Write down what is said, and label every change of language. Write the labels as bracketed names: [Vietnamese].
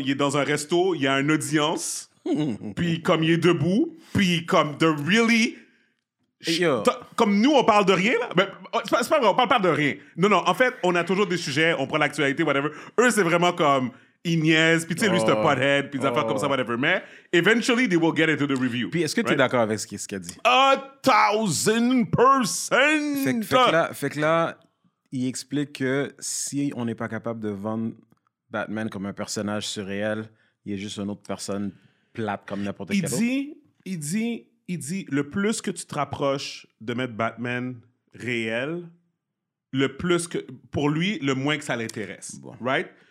[French] Il est dans un resto, il y a une audience, puis comme il est debout, puis comme [English] the really... [French] comme nous, on parle de rien, là. Mais, c'est pas vrai, on parle pas de rien. Non, en fait, on a toujours des sujets, on prend l'actualité, whatever. Eux, c'est vraiment comme... Ils niaisent, puis tu sais, lui, c'est un pothead, puis des affaires comme ça, whatever. [English] Mais eventually, they will get into the review. [French] Puis est-ce que t'es d'accord avec ce qu'il a dit? 1000%! Fait que là, il explique que si on n'est pas capable de vendre Batman comme un personnage surréel, il est juste une autre personne plate comme n'importe quel autre. Il dit, le plus que tu te rapproches de mettre Batman réel, le plus que, pour lui, le moins que ça l'intéresse. Bon. Right?